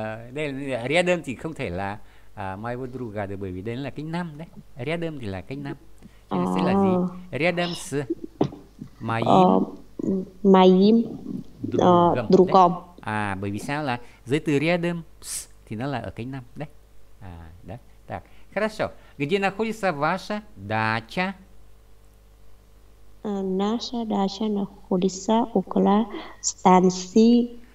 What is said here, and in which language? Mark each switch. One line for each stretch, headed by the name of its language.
Vietnamese: Đây рядом thì không thể là
Russian: моего друга
Vietnamese: được, bởi vì đây là cái năm đấy. Рядом thì là cái năm, cho nên sẽ là gì?
Russian: Рядом с моим другом
Vietnamese: đấy.
Russian: Другом.
Vietnamese: Bởi vì sao là giới từ
Russian: рядом с
Vietnamese: thì nó là ở cái năm đấy. Đấy.
Russian: Так, хорошо. Где находится ваша дача? Наша дача находится около станции